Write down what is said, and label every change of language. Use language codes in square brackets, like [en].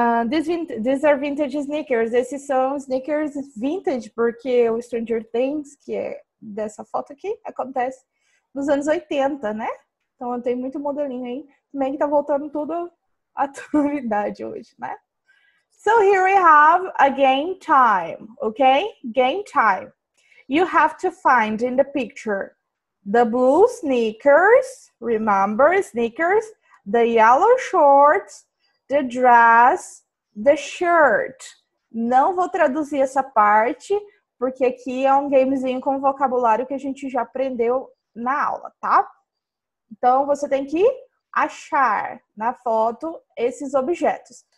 [en] These are vintage sneakers. [pt] Esses são sneakers vintage, porque o Stranger Things, que é dessa foto aqui, acontece nos anos 80, né? Então tem muito modelinho aí. Também que tá voltando tudo à atualidade hoje, né? [en] So here we have a game time, ok? Game time. You have to find in the picture the blue sneakers, remember, sneakers, the yellow shorts, the dress, the shirt. [pt] Não vou traduzir essa parte, porque aqui é um gamezinho com vocabulário que a gente já aprendeu na aula, tá? Então, você tem que achar na foto esses objetos.